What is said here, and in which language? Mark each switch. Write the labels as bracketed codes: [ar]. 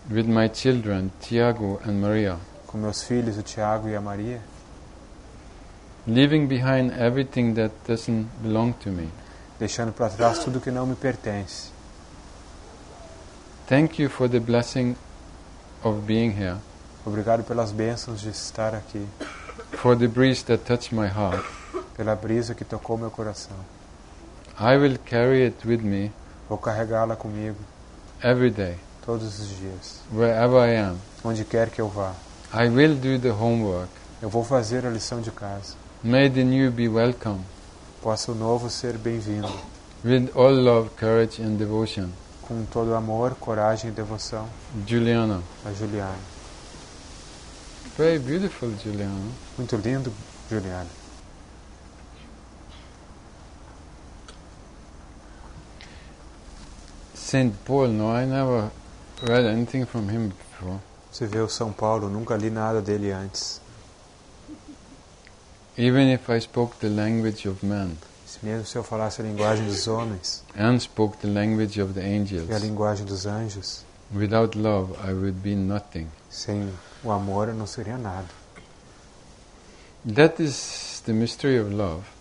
[en] With my children, Tiago and Maria. [pt] Com meus filhos, o Tiago e a Maria. [en] Leaving behind everything that doesn't belong to me. [pt] Deixando para trás tudo que não me pertence. [en] Thank you for the blessing of being here. [pt] Obrigado pelas bênçãos de estar aqui. [en] For the breeze that touched my heart. [pt] Pela brisa que tocou meu coração. [en] I will carry it with me. [pt] Vou carregá-la comigo. [en] Every day. [pt] Todos os dias. [en] Wherever I am. [pt] Onde quer que eu vá. [en] I will do the homework. [pt] Eu vou fazer a lição de casa. [en] May the new be welcome. [pt] Possa o novo ser bem-vindo. [en] With all love, courage and devotion. [pt] Com todo amor, coragem e devoção. [en] Giuliano. [pt] A Giuliano. [en] Very beautiful, Giuliano. [pt] Muito lindo, Giuliano. [en] Saint Paul, no, I never read anything from him before. [pt] Você vê o São Paulo, nunca li nada dele antes. [en] Even if I spoke the language of man, [pt] mesmo se eu falasse a linguagem dos homens, [en] and spoke the language of the angels, [pt] e a linguagem dos anjos, [en] without love I would be nothing. [pt] Sem o amor eu não seria nada. [en] That is the mystery of love.